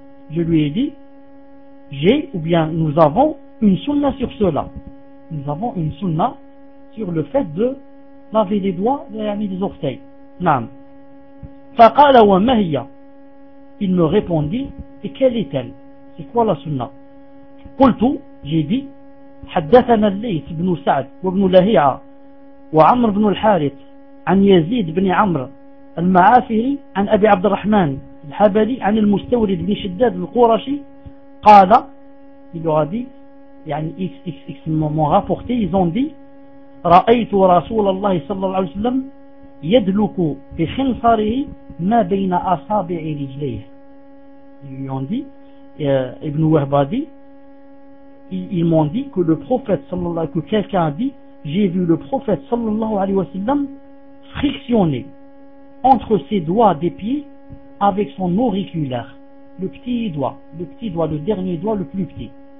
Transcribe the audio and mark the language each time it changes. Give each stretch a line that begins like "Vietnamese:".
French: Je lui ai dit, j'ai ou bien nous avons une sunna sur cela. Nous avons une sunna sur le fait de laver les doigts derrière les orteils.
Arabic: Naam. فقال وما هي.
French: Il me répondit, et quelle est-elle? C'est quoi la sunna?
Arabic: قلت,
French: j'ai dit,
Arabic: حدثنا الليث بن سعد وابن لهيعة وعمر بن الحارث عن يزيد بن عمرو المعافري عن أبي عبد الرحمن الحبلي عن المستورد بن شداد القرشي قال
French: il leur a dit
Arabic: يعني XXX
French: m'ont rapporté, ils ont dit
Arabic: رأيت رسول الله صلى الله عليه وسلم يدلك في خنصره ما بين أصابع رجليه.
French: Ils lui ont dit, Ibn Wahb a dit, ils m'ont dit que le prophète صلى الله عليه وسلم, que quelqu'un a dit j'ai vu le prophète صلى الله عليه وسلم frictionner entre ses doigts des pieds avec son auriculaire, le petit doigt, le dernier doigt le plus petit.